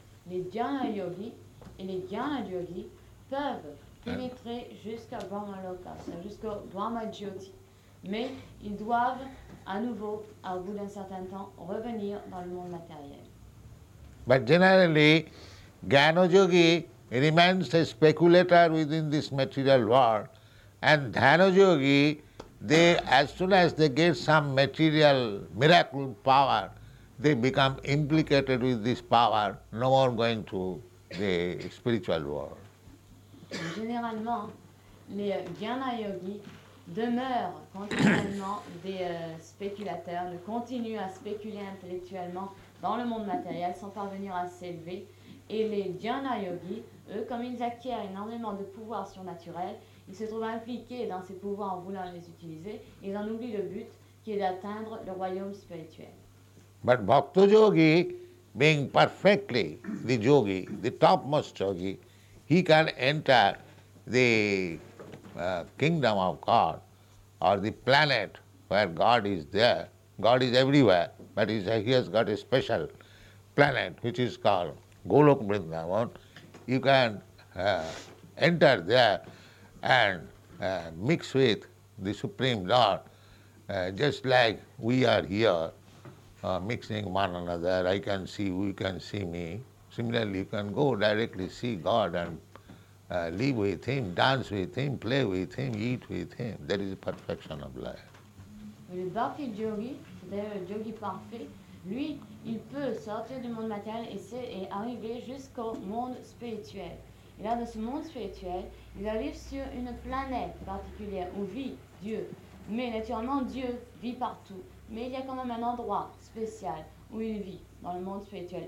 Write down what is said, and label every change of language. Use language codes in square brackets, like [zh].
[fr] Les Jnana Yogis et les Jnana Yogis peuvent pénétrer jusqu'à Brahma Loka, jusqu'au Brahma Jyoti, mais ils doivent à nouveau, au bout d'un certain temps, revenir dans le monde matériel. [en] But generally, Jnana Yogi remains a speculator within this material world, and Dhyana Yogi, they, as soon as they get some material miracle power, they become implicated with this power, no more going to the spiritual world. [fr] Généralement, les Jnana Yogis demeurent continuellement des spéculateurs, ne continuent à spéculer intellectuellement dans le monde matériel sans parvenir à s'élever. Et les Jnana Yogis, eux, comme ils acquièrent énormément de pouvoirs surnaturels, ils se trouvent impliqués dans ces pouvoirs en voulant les utiliser. Ils en oublient le but, qui est d'atteindre le royaume spirituel. [en] But Bhakti Yogi, being perfectly the yogi, the topmost yogi, he can enter the kingdom of God or the planet where God is there, God is everywhere, but he has got a special planet which is called Golok Vrindavan. You can enter there and mix with the Supreme Lord, just like we are here, mixing one another. I can see you, you can see me. Similarly, you can go directly see God and live with him, dance with him, play with him, eat with him. That is the perfection of life. [fr] Le bhakti yogi, c'est-à-dire le yogi parfait, lui, il peut sortir du monde matériel et, arriver jusqu'au monde spirituel. Et là, dans ce monde spirituel, il arrive sur une planète particulière où vit Dieu. Mais naturellement, Dieu vit partout. Mais il y a quand même un endroit spécial où il vit, dans le monde spirituel.